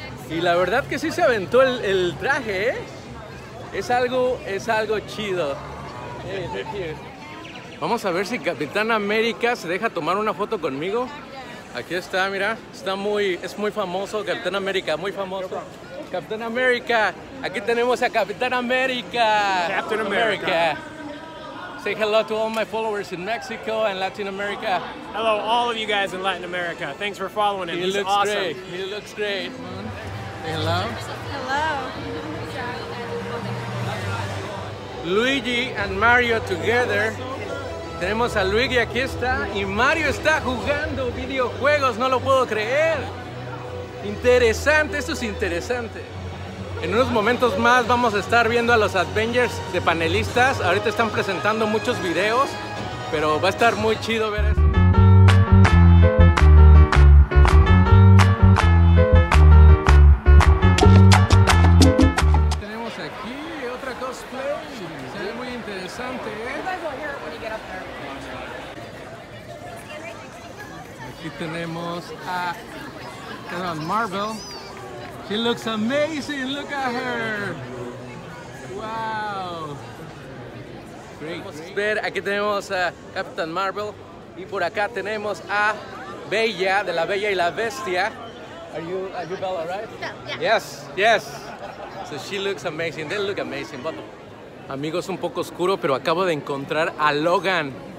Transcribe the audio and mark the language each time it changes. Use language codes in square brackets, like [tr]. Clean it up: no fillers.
[es] Y la verdad que sí se aventó el traje, ¿eh? Es algo chido. Vamos a ver si Capitán América se deja tomar una foto conmigo. Aquí está, mira, es muy famoso, Capitán América, muy famoso. Capitán América, aquí tenemos a Capitán América. [en] Captain America. Say hello to all my followers in Mexico and Latin America. Hello, all of you guys in Latin America. Thanks for following him. He looks great. He looks great. Say hello. Hello. Luigi and Mario together. [es] Tenemos a Luigi aquí está y Mario está jugando videojuegos. No lo puedo creer. Interesante, esto es interesante. En unos momentos más vamos a estar viendo a los Avengers de panelistas. Ahorita están presentando muchos videos, pero va a estar muy chido ver eso. Tenemos aquí otra cosplay. Se ve muy interesante, ¿eh? Aquí tenemos a Captain Marvel. [en] She looks amazing, look at her. Wow. Great. [es] Ver, aquí tenemos a Captain Marvel y por acá tenemos a Bella de La Bella y la Bestia. [en] Are you Bella, right? Yeah. Yes. Yes. So she looks amazing. They look amazing. [es] But, amigos, un poco oscuro, pero acabo de encontrar a Logan.